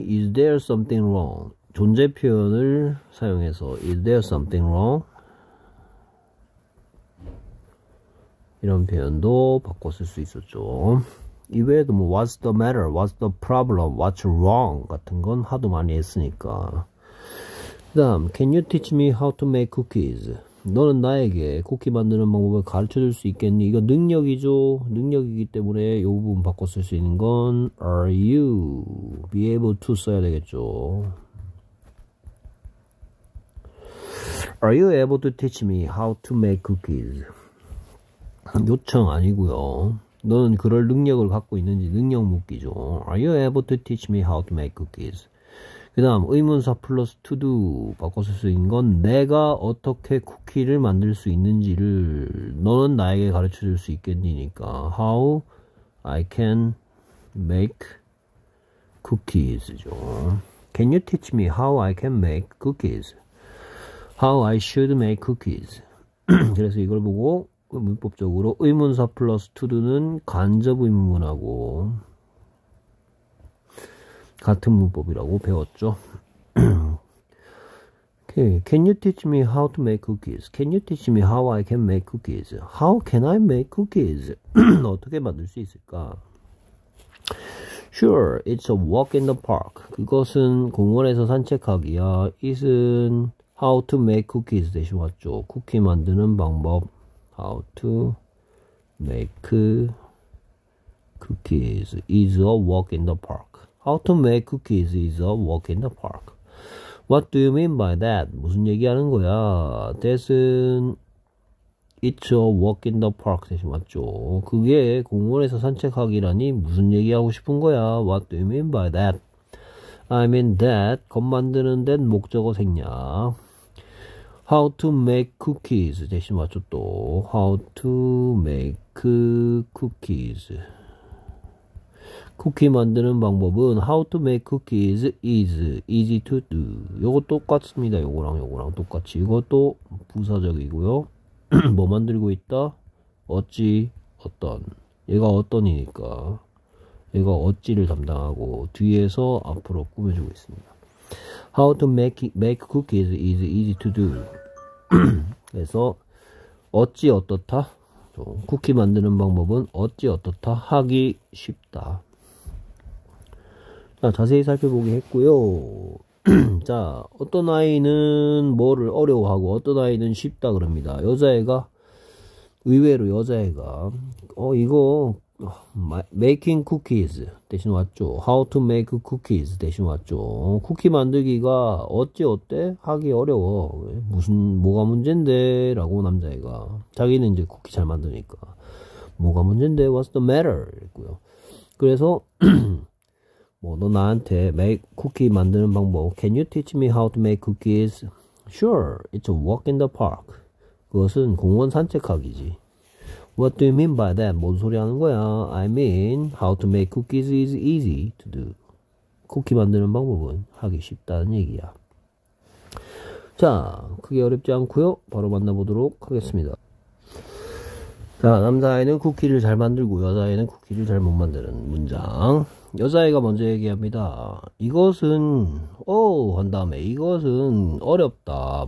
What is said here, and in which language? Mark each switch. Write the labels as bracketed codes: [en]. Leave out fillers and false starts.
[en] Is there something wrong? [ko] 존재 표현을 사용해서 [en] Is there something wrong? [ko] 이런 표현도 바꿔 쓸수 있었죠. 이외에도 뭐 [en] What's the matter? What's the problem? What's wrong? [ko] 같은 건 하도 많이 했으니까. [en] 그다음, Can you teach me how to make cookies? [ko] 너는 나에게 쿠키 만드는 방법을 가르쳐 줄수 있겠니? 이거 능력이죠. 능력이기 때문에 이 부분 바꿔 쓸수 있는 건 [en] Are you be able to [ko] 써야 되겠죠. [en] Are you able to teach me how to make cookies? [ko] 요청 아니고요. 너는 그럴 능력을 갖고 있는지 능력 묻기죠. [en] Are you able to teach me how to make cookies? [ko] 그 다음 의문사 플러스 to do 바꿔 쓸수 있는 건 내가 어떻게 쿠키를 만들 수 있는지를 너는 나에게 가르쳐 줄수 있겠니니까 [en] How I can make cookies [ko] 죠. [en] Can you teach me how I can make cookies? How I should make cookies? [ko] 그래서 이걸 보고 문법적으로 의문사 플러스 to do는 간접 의문문하고 같은 문법이라고 배웠죠. [en] Okay. Can you teach me how to make cookies? Can you teach me how I can make cookies? How can I make cookies? [ko] 어떻게 만들 수 있을까? [en] Sure, it's a walk in the park. [ko] 그것은 공원에서 산책하기야. [en] It's how to make cookies [ko] 대신 왔죠. 쿠키 만드는 방법. [en] How to make cookies is a walk in the park. How to make cookies is a walk in the park. What do you mean by that? [ko] 무슨 얘기하는 거야? [en] That's it's a walk in the park [ko] 대신 맞죠. 그게 공원에서 산책하기라니 무슨 얘기하고 싶은 거야? [en] What do you mean by that? I mean that [ko] 겁 만드는 데 목적어 생냐. [en] How to make cookies [ko] 대신 맞죠 또. [en] How to make cookies. [ko] 쿠키 만드는 방법은 [en] How to make cookies is easy to do. [ko] 요거 똑같습니다. 요거랑 요거랑 똑같이. 이것도 부사적이고요. 뭐 만들고 있다? 어찌, 어떤. 얘가 어떤이니까. 얘가 어찌를 담당하고 뒤에서 앞으로 꾸며주고 있습니다. [en] How to make cookies is easy to do. [ko] 그래서 어찌, 어떻다? 쿠키 만드는 방법은 어찌, 어떻다? 하기 쉽다. 자, 자세히 살펴보기 했고요. 자, 어떤 아이는 뭐를 어려워하고 어떤 아이는 쉽다 그럽니다. 여자애가 의외로 여자애가 이거 [en] making cookies [ko] 대신 왔죠. [en] How to make cookies [ko] 대신 왔죠. 쿠키 만들기가 어찌 어때? 하기 어려워. 무슨 뭐가 문제인데? 라고 남자애가 자기는 이제 쿠키 잘 만드니까 뭐가 문제인데? [en] What's the matter? [ko] 했고요. 그래서 너 나한테 쿠키 만드는 방법 [en] Can you teach me how to make cookies? Sure, it's a walk in the park. [ko] 그것은 공원 산책하기지. [en] What do you mean by that? 뭔 소리 하는 거야? I mean, how to make cookies is easy to do. [ko] 쿠키 만드는 방법은 하기 쉽다는 얘기야. 자, 크게 어렵지 않고요. 바로 만나보도록 하겠습니다. 자, 남자애는 쿠키를 잘 만들고 여자애는 쿠키를 잘 못 만드는 문장. 여자애가 먼저 얘기합니다. 이것은 한 다음에 이것은 어렵다.